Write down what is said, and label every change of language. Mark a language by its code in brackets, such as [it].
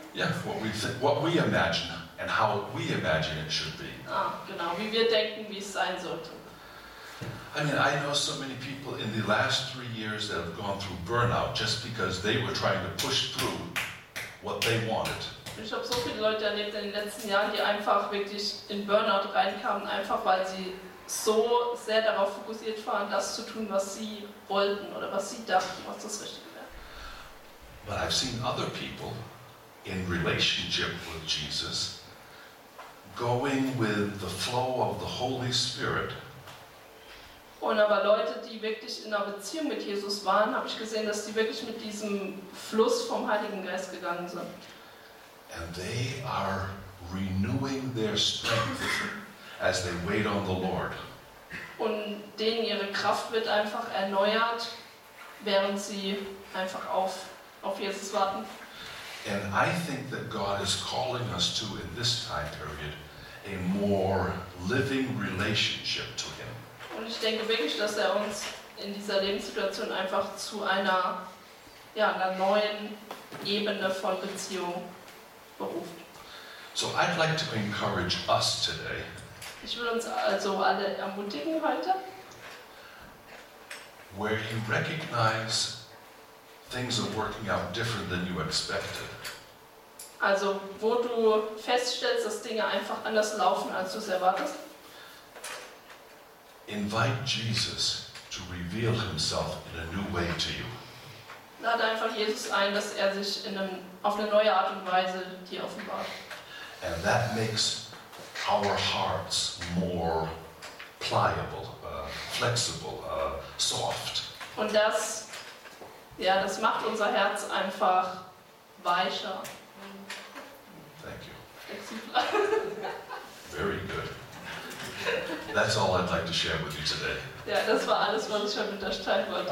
[en] Yeah, what we imagine and how we imagine it should be. [de] Ah, genau, wie wir denken, wie es sein sollte. [en] I mean, I know so many people in the last 3 years that have gone through burnout just because they were trying to push through what they wanted. [de] Ich habe so viele Leute erlebt in den letzten Jahren, die einfach wirklich in Burnout reinkamen, einfach weil sie so sehr darauf fokussiert waren, das zu tun, was sie wollten oder was sie dachten, was das Richtige wäre. [en] But I've seen other people in relationship with Jesus going with the flow of the Holy Spirit. [de] Und aber Leute, die wirklich in einer Beziehung mit Jesus waren, habe ich gesehen, dass die wirklich mit diesem Fluss vom Heiligen Geist gegangen sind. [en] And they are renewing their strength as they wait on the Lord. [de] Und denen ihre Kraft wird einfach erneuert, während sie einfach auf Jesus warten. [en] And I think that God is calling us to, in this time period, a more living relationship to Him. [de] Und ich denke wirklich, dass er uns in dieser Lebenssituation einfach zu einer, ja, einer neuen Ebene von Beziehung beruft. [en] So I'd like to encourage us today. [de] Ich will uns also alle ermutigen heute. [en] Where you recognize things are working out different than you expected. [de] Also wo du feststellst, dass Dinge einfach anders laufen, als du es erwartest. [en] Invite Jesus to reveal himself in a new way to you. [de] Lade einfach Jesus ein, dass er sich auf eine neue Art und Weise dir offenbart. [en] And that makes our hearts more pliable, flexible, soft. [de] Und das, ja, das macht unser Herz einfach weicher. [en] Thank you. [de] Flexibler. [en] Very good. That's all I'd like to share with you today. [de] Ja, das war alles, was ich heute mit euch teilen wollte.